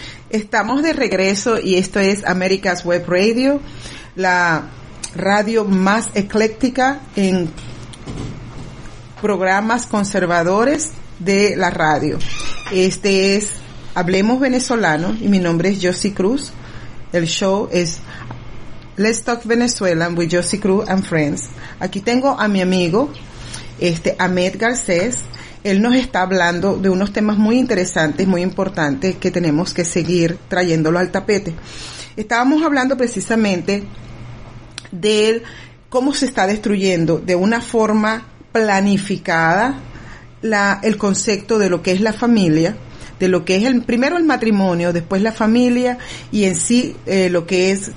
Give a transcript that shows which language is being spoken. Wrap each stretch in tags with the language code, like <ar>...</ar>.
<es>Estamos de regreso y esto es America's Web Radio, la radio más ecléctica en programas conservadores de la radio. Este es Hablemos Venezolano y mi nombre es Josie Cruz.</es> <en>El show es Let's Talk Venezuelan with Josie Cruz and Friends.</en> <es>Aquí tengo a mi amigo, Ahmed Garcés. Él nos está hablando de unos temas muy interesantes, muy importantes, que tenemos que seguir trayéndolo al tapete. Estábamos hablando precisamente de cómo se está destruyendo de una forma planificada el concepto de lo que es la familia, de lo que es primero el matrimonio, después la familia y en sí lo que es.</es>